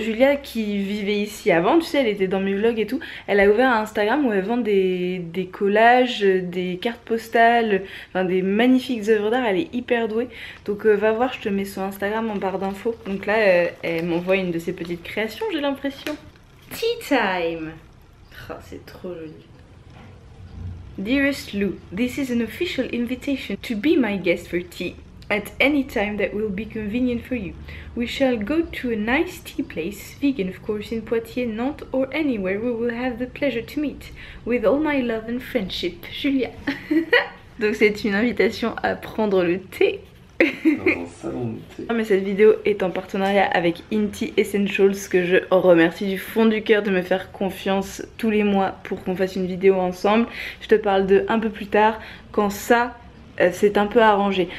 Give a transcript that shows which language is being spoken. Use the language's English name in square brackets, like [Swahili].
[French] Julia qui vivait ici avant, tu sais, elle était dans mes vlogs et tout. Elle a ouvert un Instagram où elle vend des collages, des cartes postales, enfin des magnifiques œuvres d'art. Elle est hyper douée. Donc va voir, je te mets son Instagram en barre d'infos. Donc là, elle m'envoie une de ses petites créations, j'ai l'impression. [English] Tea time! [French] C'est trop joli. [English] Dearest Lou, this is an official invitation to be my guest for tea at any time that will be convenient for you. We shall go to a nice tea place, vegan of course, in Poitiers, Nantes, or anywhere we will have the pleasure to meet. With all my love and friendship, Julia. [French] Donc c'est une invitation à prendre le thé. Non, mais cette vidéo est en partenariat avec Inti Essentials, que je remercie du fond du cœur de me faire confiance tous les mois pour qu'on fasse une vidéo ensemble. Je te parle d'eux un peu plus tard quand ça c'est un peu arrangé.